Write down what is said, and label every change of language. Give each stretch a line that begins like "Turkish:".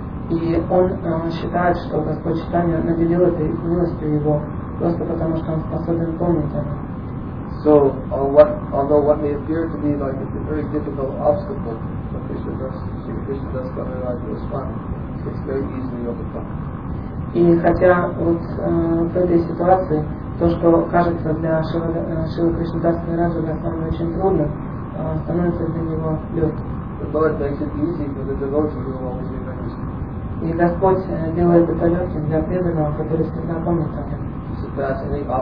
Russian: И он считает, что Господь Чайтанья наделил этой милостью его, просто потому что он способен помнить это.
English: So, although what may appear to be like a very difficult obstacle for Krishnadas Kaviraj Goswami, it's very easily overcome.
Russian: И хотя вот в этой ситуации то, что кажется для Шрилы Кришнадас Кавираджа Госвами очень трудным, становится для него легким. И Господь делает это легким для преданного, который всегда помнит о нем.